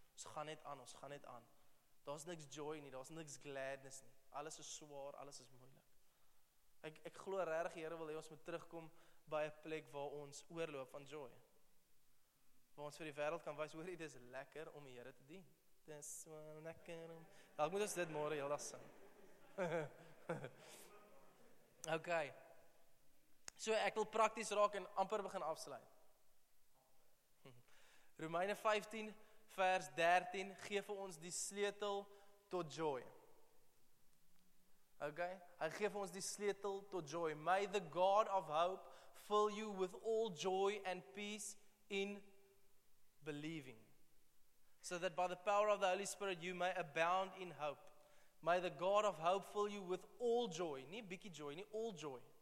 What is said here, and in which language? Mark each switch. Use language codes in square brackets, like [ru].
[af] Ons gaan net aan, Daar's niks joy nie, daar's niks gladness nie. Alles is swaar, alles is moeilik. Ek glo regtig die Here wil hê ons moet terugkom by 'n plek waar ons oorloop van joy. Waar ons vir die wêreld kan wys, hoor jy, dis lekker om die Here te dien. Dis so lekker om. Dalk moet ons dit môre heeldag sing. Okay. So ek wil prakties raak en amper begin afsluit. Romeine 15 vers 13 gee vir ons die sleutel tot joy. Okay, hy gee vir ons die sleutel tot joy. [en] May the God of hope fill you with all joy and peace in believing. So that by the power of the Holy Spirit you may abound in hope. May the God of hope fill you with all joy. [af] Nie bietjie joy nie, [en] all joy.